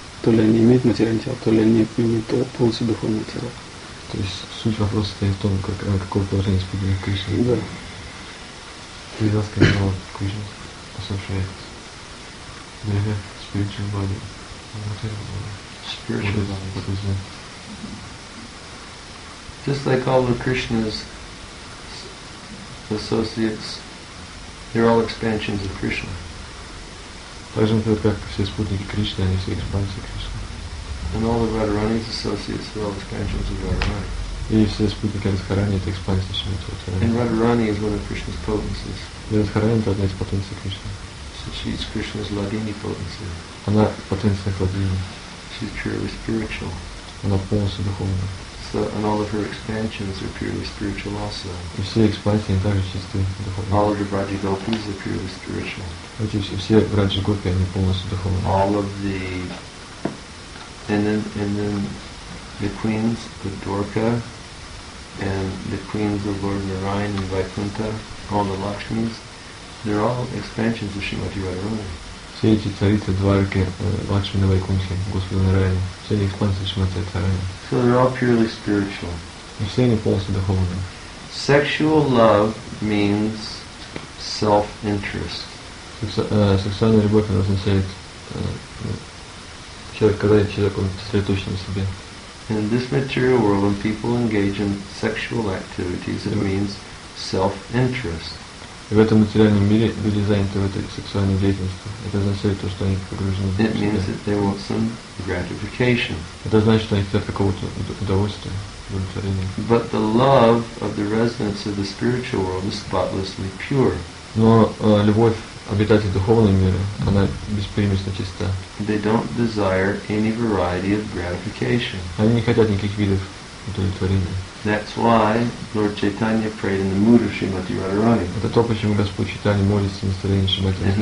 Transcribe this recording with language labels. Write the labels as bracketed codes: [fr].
[ru] То ли они имеют материальное тело, то ли они имеют полностью духовное тело. То есть суть вопроса стоит в том, какое положение спутников Кришны. Да. Передаст, когда он Кришна посовшает деревья, [en] spiritual body. Spiritual body. Just like all the Krishna's associates, they're all expansions of Krishna. [ru] Также, например, как все спутники Кришны, они все экспансии Кришны. [en] And all the Radharani's associates are all expansions of Radharani. [ru] И все спутники Радхарани — это экспансии Шри Радхарани. [en] And Radharani is one of Krishna's potencies. [ru] Радхарани — это одна из потенций Кришны. [en] So she's Krishna's Ladini potency. [ru] Она потенция Ладини. [en] She's purely spiritual. [ru] Она полностью духовная. [en] And all of her expansions are purely spiritual also. [ru] И все экспансии также чисты духовные. [en] All of the Vraja Gopis are purely spiritual. [ru] Эти все Vraja Gopi, они полностью духовные. [en] All of the and then the queens, the Dwarka, and the queens of Lord Narayan and Vaikuntha, all the Lakshmis, they're all expansions of Shrimati Radharani. [ru] Все эти царицы, Дварки, Лакшми на Вайкунхе, Господи Нараяне, все они экспансии Шримати Радхарани. [en] So they're all purely spiritual. [ru] И все они полностью духовные. [en] Sexual love means self-interest. [ru] Сексуальная любовь, она означает, когда человек он сосредоточен на себе. [en] In this material world, when people engage in sexual activities, it means self-interest. [ru] И в этом материальном мире люди заняты в этой сексуальной деятельности. Это означает то, что они погружены в себя. [en] It means that they want some gratification. [ru] Это значит, что они хотят какого-то удовольствия, удовлетворения. [en] But the love of the residents of the spiritual world is spotlessly pure. [ru] Но любовь обитателей духовного мира, она беспримесно чиста. [en] They don't desire any variety of gratification. [ru] Они не хотят никаких видов удовлетворения. [en] That's why Lord Chaitanya prayed in the mood of Srimati Radharani. [ru] Это то, почему Господь Чайтанья молится в настроении Шримати Радхарани.